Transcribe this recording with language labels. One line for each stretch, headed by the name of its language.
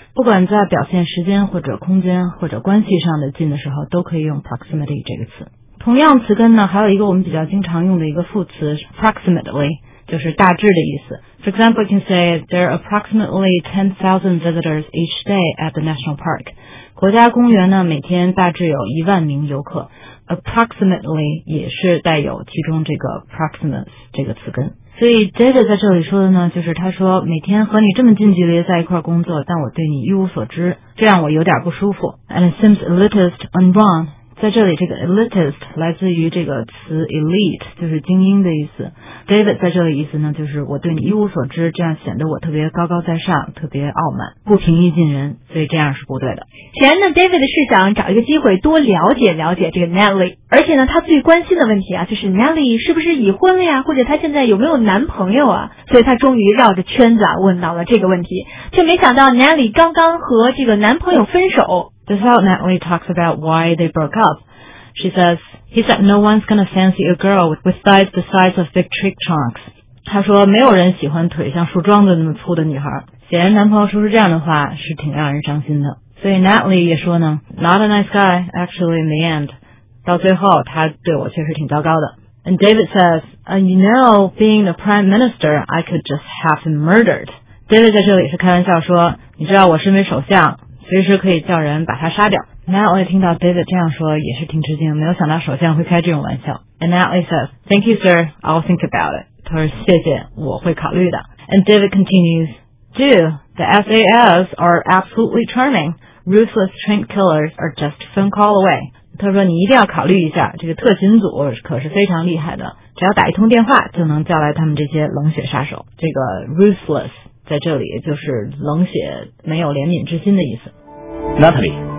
Chinese: 不管在表现时间或者空间或者关系上的近的时候，都可以用 proximity 这个词。同样词根呢，还有一个我们比较经常用的一个副词 approximately 就是大致的意思。
English: For example, you can say there are approximately 10,000 visitors each day at the national park.
Chinese: 国家公园呢，每天大致有10,000名游客。 Approximately 也是带有其中这个 proximus 这个词根。所以 David 在这里说的呢，就是他说每天和你这么近距离在一块工作，但我对你一无所知，这让我有点不舒服。
English: And it seems elitist and wrong。
Chinese: 在这里，这个 elitist 来自于这个词 elite， 就是精英的意思。 David 在这里意思呢，就是我对你一无所知，这样显得我特别高高在上，特别傲慢，不平易近人，所以这样是不对的。显然呢 ，David 是想找一个机会多了解了解这个 Natalie， 而且呢，他最关心的问题啊，就是 Natalie 是不是已婚了呀，或者他现在有没有男朋友啊？所以他终于绕着圈子啊，问到了这个问题，却没想到 Natalie 刚刚和这个男朋友分手。
English: This is how Natalie talks about why they broke up. She says, he said no one's gonna fancy a girl with thighs the size of big tree trunks.
Chinese: 她说没有人喜欢腿像树桩子那么粗的女孩。显然男朋友说是这样的话是挺让人伤心的。所以 Natalie 也说呢
English: not a nice guy, actually in the end.
Chinese: 到最后他对我确实挺糟糕的。
English: And David says, you know, being the prime minister, I could just have him murdered.
Chinese: David 在这里是开玩笑说你知道我身为首相。随时可以叫人把他杀掉。 Natalie 听到 David 这样说也是挺吃惊，没有想到首相会开这种玩笑。
English: And Natalie says, Thank you, sir, I'll think about it.
Chinese: 他说谢谢，我会考虑的。
English: And David continues, Dude, the SAS are absolutely charming. Ruthless trained killers are just phone call away.
Chinese: 他说你一定要考虑一下，这个特勤组可是非常厉害的，只要打一通电话就能叫来他们这些冷血杀手。这个 ruthless. 在这里就是冷血没有怜悯之心的意思 Natalie